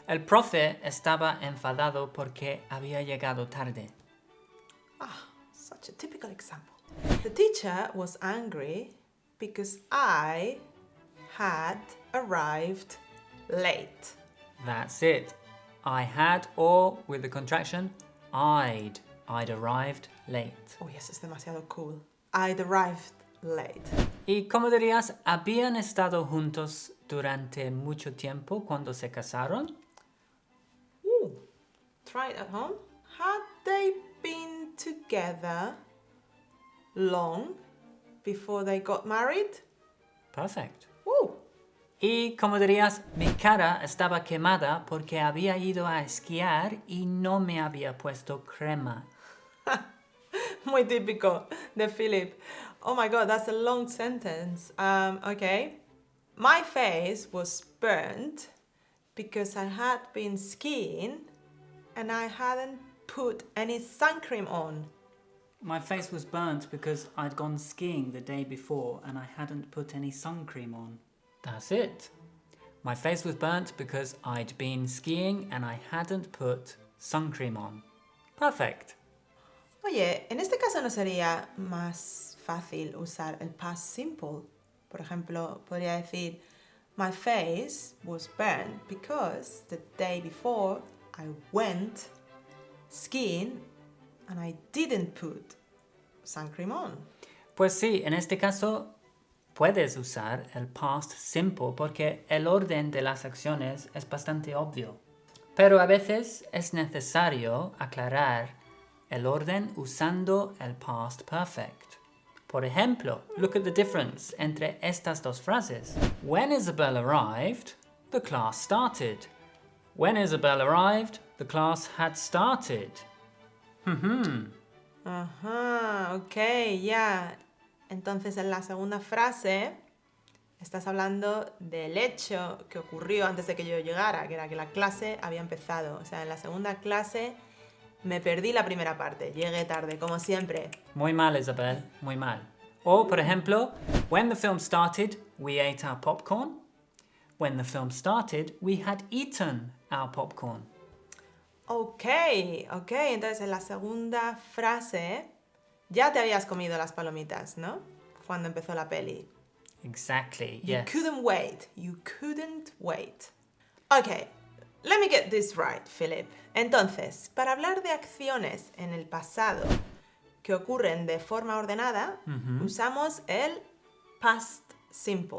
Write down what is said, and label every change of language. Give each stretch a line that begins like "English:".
Spanish: El profe estaba enfadado porque había llegado tarde.
English: Ah, such a typical example. The teacher was angry because I had arrived late. That's it. I had, or with the contraction, I'd. I'd arrived late. Oh yes, it's demasiado cool. I'd arrived late.
Spanish: ¿Y cómo dirías, habían estado juntos durante mucho tiempo cuando se casaron?
English: Ooh, try it at home. Had they been together long before they got married? Perfect. Ooh.
Spanish: ¿Y cómo dirías, mi cara estaba quemada porque había ido a esquiar y no me había puesto crema? Muy típico de Philip.
English: Oh my god, that's a long sentence. Okay. My face was burnt because I had been skiing and I hadn't put any sun cream on. My face was burnt because I'd gone skiing the day before and I hadn't put any sun cream on. That's it. My face was burnt because I'd been skiing and I hadn't put sun cream on. Perfect.
Spanish: Oye, en este caso no sería más fácil usar el past simple. Por ejemplo, podría decir,
English: my face was burnt because the day before I went skiing and I didn't put sun cream on.
Spanish: Pues sí, en este caso puedes usar el past simple porque el orden de las acciones es bastante obvio. Pero a veces es necesario aclarar el orden usando el past perfect. Por ejemplo,
English: look at the difference
Spanish: entre estas dos frases.
English: When Isabel arrived, the class started. When Isabel arrived, the class had started.
Spanish: Ajá, okay, ya. Yeah. Entonces, en la segunda frase, estás hablando del hecho que ocurrió antes de que yo llegara, que era que la clase había empezado. O sea, en la segunda clase, Me perdí la primera parte. Llegué tarde, como siempre. Muy mal, Isabel. Muy mal. O, por ejemplo,
English: when the film started, we ate our popcorn. When the film started, we had eaten our popcorn. Ok.
Spanish: Entonces, en la segunda frase, ya te habías comido las palomitas, ¿no? Cuando empezó la peli.
English: Exactly, you yes. You couldn't wait. You couldn't wait. Ok. Let me get this right, Philip.
Spanish: Entonces, para hablar de acciones en el pasado que ocurren de forma ordenada, usamos el past simple.